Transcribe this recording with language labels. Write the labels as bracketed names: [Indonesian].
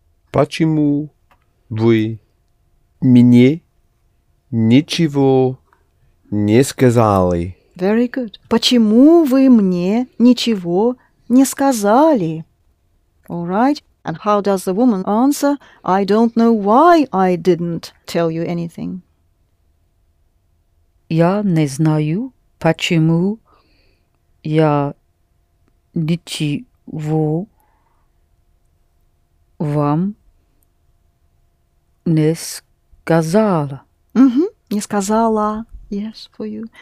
[Russian] Почему вы мне ничего не сказали? [English] Very good. [Russian] Почему вы мне ничего не сказали? [English] All right. And how does the woman answer? I don't know why I didn't tell you anything. [Russian] Я не знаю, почему я ничего вам не сказала. [English] Mm-hmm. [Russian] Не сказала. [English] Yes, for you.